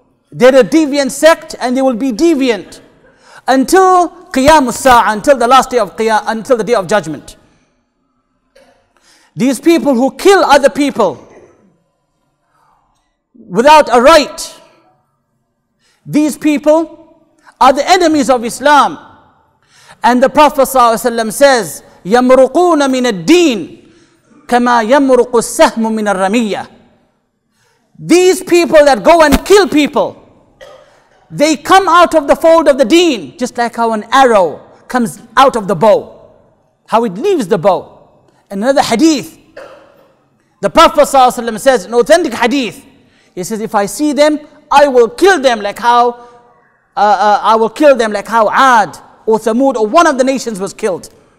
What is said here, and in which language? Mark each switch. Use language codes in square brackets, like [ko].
[en] They're a deviant sect, and they will be deviant until Qiyamus Sa'ah, until the day of judgment. These people who kill other people without a right, these people are the enemies of Islam. And the Prophet ﷺ says, [ar] يَمْرُقُونَ مِنَ الدِّينِ كَمَا يَمْرُقُ السَّهْمُ مِنَ الرَّمِيَّةِ. [en] These people that go and kill people, they come out of the fold of the deen, just like how an arrow comes out of the bow, how it leaves the bow. Another hadith, the Prophet ﷺ says, an authentic hadith, he says, if I see them, I will kill them like how Ad or Thamud or one of the nations was killed.